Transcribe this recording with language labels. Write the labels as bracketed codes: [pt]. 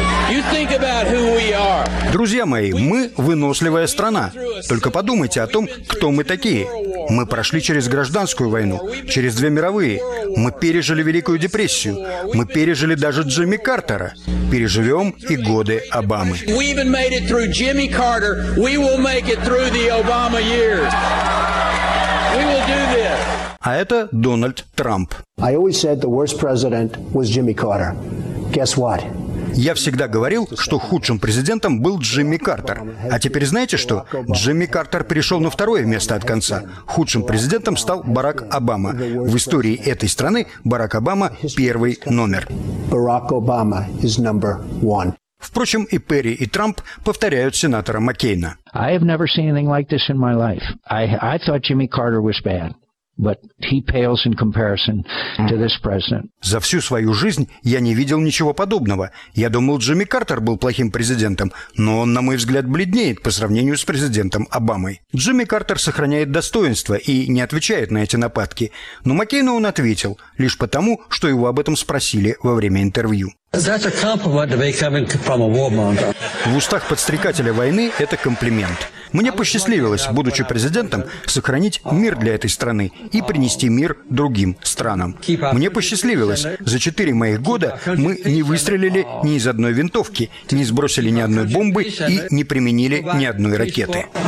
[en] You think about who we are. [ru] Друзья мои, мы выносливая страна. Только подумайте о том, кто мы такие. Мы прошли через гражданскую войну, через две мировые. Мы пережили Великую депрессию. Мы пережили даже Джимми Картера. Переживем и годы Обамы. [en] We even made it through Jimmy Carter. We will make it through the Obama years. We will do this. [ru] А это Дональд Трамп. [en] I always said the worst president was Jimmy Carter. Guess what? [ru] Я всегда говорил, что худшим президентом был Джимми Картер. А теперь знаете что? Джимми Картер перешел на второе место от конца. Худшим президентом стал Барак Обама. В истории этой страны Барак Обама первый номер. [en] Барак Обама is number one. [ru] Впрочем, и Перри, и Трамп повторяют сенатора Маккейна. [en] I have never seen anything like this in my life. I thought Jimmy Carter was bad. But he pales in comparison to this president. [ru] За всю свою жизнь я не видел ничего подобного. Я думал, Джимми Картер был плохим президентом, но он, на мой взгляд, бледнеет по сравнению с президентом Обамой. Джимми Картер сохраняет достоинство и не отвечает на эти нападки. Но Маккейну он ответил лишь потому, что его об этом спросили во время интервью. [en] That's a compliment to be coming from a warmonger. [ru] В устах подстрекателя войны это комплимент. Мне посчастливилось, будучи президентом, сохранить мир для этой страны и принести мир другим странам. Мне посчастливилось, за 4 моих года мы не выстрелили ни из одной винтовки, не сбросили ни одной бомбы и не применили ни одной ракеты.